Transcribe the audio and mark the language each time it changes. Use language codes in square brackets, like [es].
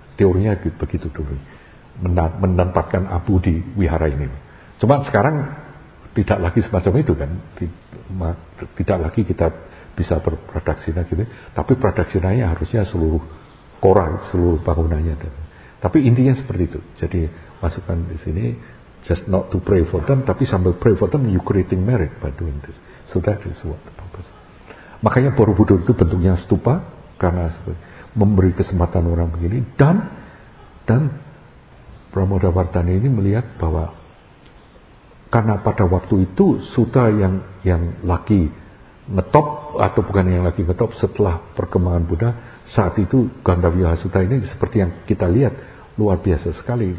[id] Teorinya begitu dulu menempatkan abu di wihara ini. Cuma sekarang tidak lagi semacam itu kan, tidak lagi kita bisa berpradaksina gitu, tapi pradaksinanya harusnya seluruh kora, seluruh bangunannya. Tapi intinya seperti itu. Jadi masukkan di sini [en] just not to pray for them, [id] tapi sambil [en] pray for them you creating merit by doing this. So that is what the purpose. [id] Makanya Borobudur itu bentuknya stupa karena memberi kesempatan orang begini, dan Pramodawardhani ini melihat bahwa karena pada waktu itu Suta yang lagi ngetop, atau bukan yang lagi ngetop, setelah perkembangan Buddha, saat itu Gandhavyuha Suta ini seperti yang kita lihat luar biasa sekali.